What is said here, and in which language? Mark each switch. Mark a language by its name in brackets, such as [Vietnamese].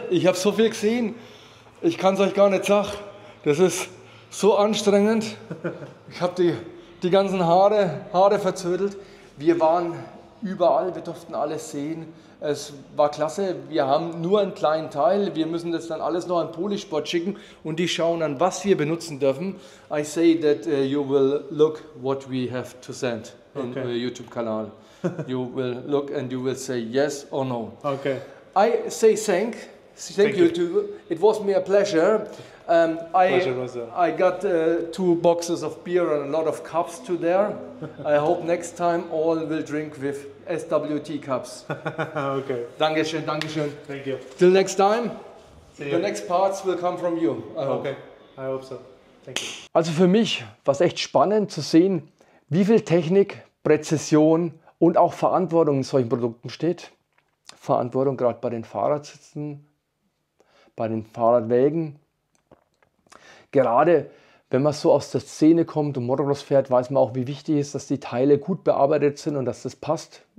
[German] Ich habe so viel gesehen. Ich kann es euch gar nicht sagen. Das ist so anstrengend. Ich habe die ganzen Haare verzödelt. Wir waren überall, wir durften alles sehen. Es war klasse. Wir haben nur einen kleinen Teil. Wir müssen das dann alles noch an Polysport schicken und die schauen dann, was wir benutzen dürfen. [English] I say that you will look what we have to send on okay. Your YouTube-Kanal. You will look and you will say yes or no. Okay. I say thank. Thank you, too. It was me a pleasure. I got two boxes of beer and a lot of cups to there. I hope next time all will drink with SWT cups. Okay. [German] Dankeschön, Dankeschön. [English] Thank you. Till next time, see the you. Next parts will come from you. I hope so. Thank you. [German] Also für mich war es echt spannend zu sehen, wie viel Technik, Präzision und auch Verantwortung in solchen Produkten steht. Verantwortung gerade bei den Fahrradsitzen, bei den Fahrradwägen. Gerade wenn man so aus der Szene kommt und Motocross fährt, weiß man auch, wie wichtig es ist, dass die Teile gut bearbeitet sind und dass das passt.